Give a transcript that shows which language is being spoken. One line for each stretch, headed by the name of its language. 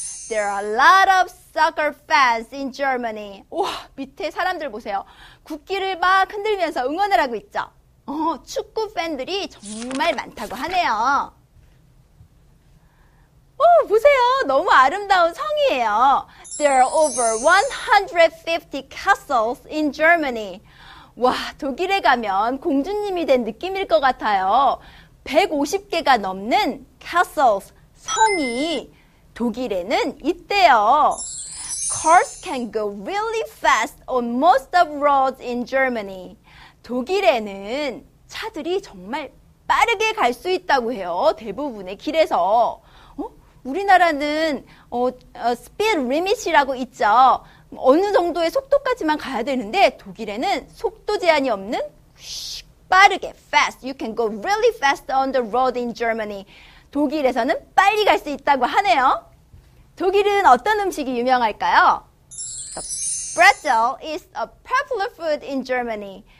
English: There are a lot of soccer fans in Germany.
Korean: 우와, 밑에 사람들 보세요. 국기를 막 흔들면서 응원을 하고 있죠. 축구 팬들이 정말 많다고 하네요. 보세요. 너무 아름다운 성이에요.
English: There are over 150 castles in Germany.
Korean: 와, 독일에 가면 공주님이 된 느낌일 것 같아요. 150개가 넘는 castles, 성이 독일에는 있대요.
English: Cars can go really fast on most of roads in Germany.
Korean: 독일에는 차들이 정말 빠르게 갈 수 있다고 해요. 대부분의 길에서. 우리나라는 speed limit이라고 있죠. 어느 정도의 속도까지만 가야 되는데 독일에는 속도 제한이 없는 빠르게 fast.
English: You can go really fast on the road in Germany.
Korean: 독일에서는 빨리 갈 수 있다고 하네요. 독일은 어떤 음식이 유명할까요?
English: The pretzel is a popular food in Germany.